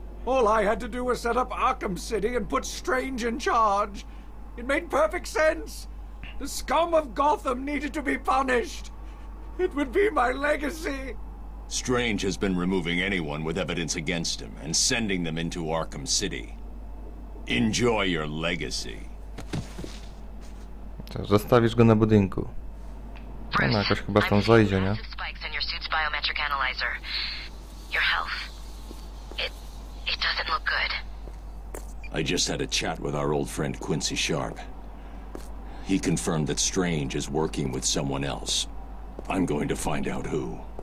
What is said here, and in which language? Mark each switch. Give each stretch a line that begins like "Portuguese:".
English: All I had to do was set up Arkham City and put Strange in charge. It made perfect sense. The scum of Gotham needed to be punished. It would be my legacy. Strange has been removing anyone with evidence against him and sending them into Arkham City. Enjoy your legacy.
Polish: Zostawisz go na budynku.
English: Bruce,
Polish: no, jakoś chyba tam zajdzie, nie?
English: Spikes in your suit's biometric analyzer. Your health. It doesn't look good. I just had a chat with our old friend Quincy Sharp. He confirmed that Strange is working with someone else. I'm going to find out who.